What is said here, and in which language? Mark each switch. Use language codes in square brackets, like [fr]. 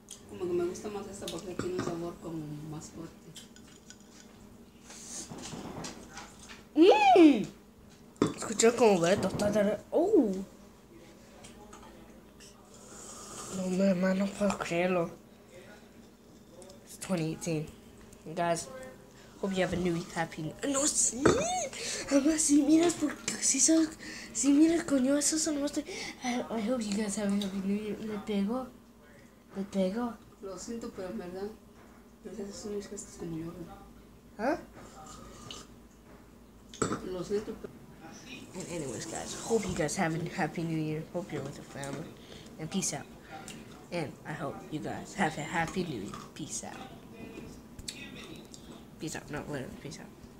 [es] Como que me gusta más esta porque tiene un sabor como más fuerte. Escuché como Beto está de... ¡Oh! No, mi hermano, no puedo creerlo. [en] It's 2018. Guys, hope you have a new happy... [es] ¡No, sí! Además, si miras por... Si miras, coño, eso son los... [en] I hope you guys have a happy new year. [es] ¿Le pego? Lo siento, pero en verdad... Pero esos son mis gestos como yo. ¿Ah? [en] And anyways, guys, hope you guys have a happy new year. Hope you're with your family. And peace out. And I hope you guys have a happy new year. Peace out. Peace out. Not literally. Peace out.